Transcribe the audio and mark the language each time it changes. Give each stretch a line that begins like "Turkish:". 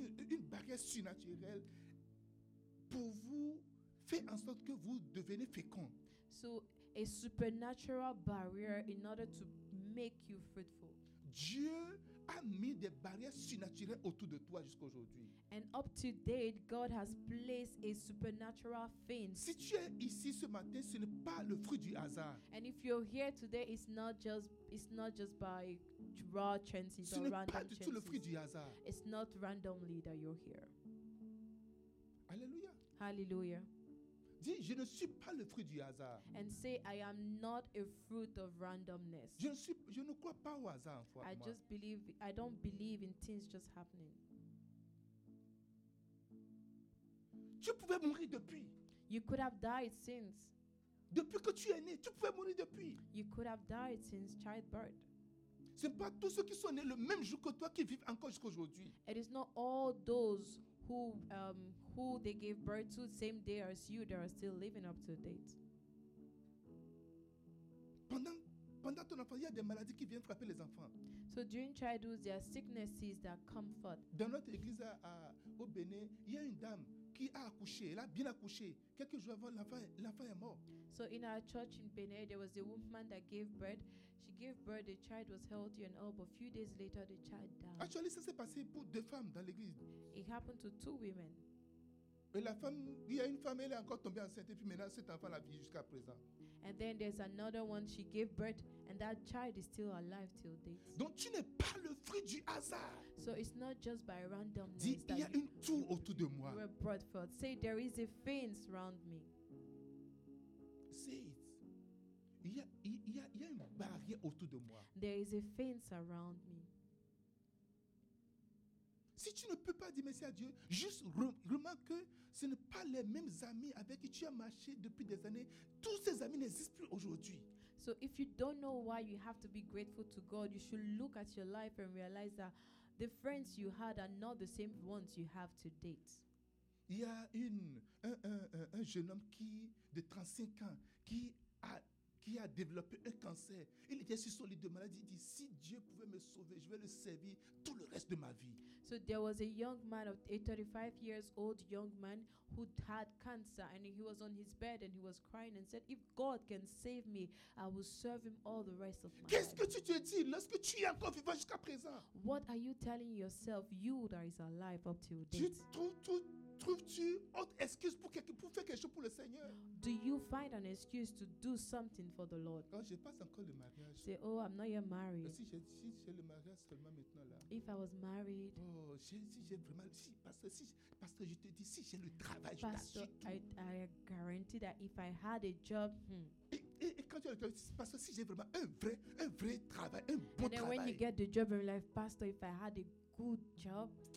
French: Une barrière surnaturelle pour vous fait en sorte que vous devenez fécond.
English: So a supernatural barrier in order to make you fruitful.
French: Dieu a mis des barrières surnaturelles autour de toi jusqu'à aujourd'hui.
English: And up to date, God has placed a supernatural fence.
French: Si tu es ici ce matin, ce n'est pas le fruit du hasard.
English: And if you're here today, it's not just by raw chances or random chances.
French: Ce n'est pas du tout le fruit du hasard.
English: It's not randomly that you're here.
French: Alléluia.
English: Hallelujah.
French: Dis, je ne suis pas le fruit du hasard.
English: And say, I am not a fruit of randomness.
French: Je ne crois pas au hasard.
English: I don't believe in things just happening.
French: Tu pouvais mourir depuis.
English: You could have died since.
French: Depuis que tu es né, tu pouvais mourir depuis.
English: You could have died since childbirth.
French: C'est pas tous ceux qui sont nés le même jour que toi qui vivent encore jusqu'à aujourd'hui.
English: It is not all those who they gave birth to the same day as you that are still living up to date.
French: Pendant ton enfant, il y a des maladies qui viennent frapper les enfants.
English: So during childhood, there are sicknesses that come forth.
French: Dans notre église au Bénin, il y a une dame qui a accouché. Elle a bien accouché. Quelques jours avant, l'enfant est mort.
English: So in our church in Bénin, there was a woman that gave birth. She gave birth, the child was healthy and all, but a few days later, the child died.
French: Actually, ça s'est passé pour deux femmes dans l'église.
English: It happened to two women.
French: Et la femme, il y a une femme, elle est encore tombée enceinte et puis maintenant cet enfant la vit jusqu'à présent.
English: And then there's another one, she gave birth and that child is still alive till date.
French: Donc tu n'es pas le fruit du hasard.
English: So it's not just by randomness.
French: Dis, il y a une tour autour de moi.
English: We're brought forth. Say, there is a fence around me. Say it.
French: Il y a une barrière autour de moi.
English: There is a fence around me.
French: Si tu ne peux pas dire merci à Dieu, juste remarque que ce n'est pas les mêmes amis avec qui tu as marché depuis des années. Tous ces amis n'existent plus aujourd'hui.
English: So if you don't know why you have to be grateful to God, you should look at your life and realize that the friends you had are not the same ones you have to date.
French: Il y a un jeune homme qui de 35 ans qui a développé un cancer. Il était sur son lit de maladie. Il dit, si Dieu pouvait me sauver, je vais le servir tout le reste de ma vie.
English: So there was a young man, a 35 years old young man who had cancer and he was on his bed and he was crying and said, if God can save me, I will serve him all the rest of my life.
French: Qu'est-ce que tu te dis lorsque tu es encore vivant jusqu'à présent?
English: What are you telling yourself, you that is alive up till date?
French: Trouves-tu autre excuse pour faire quelque chose pour le Seigneur?
English: Do you find an excuse to do something for the Lord?
French: Oh, je passe encore le mariage.
English: Say, oh, I'm not yet married.
French: Si j'ai le mariage seulement maintenant là.
English: If I was married.
French: Oh, j'ai vraiment si parce que je te dis si j'ai le travail,
English: pastor,
French: je t'assure tout.
English: I guarantee that if I had a job.
French: Et quand tu as le travail, pastor, si j'ai vraiment un vrai travail, un bon travail.
English: And then when you get the job in life, pastor, if I had a good job.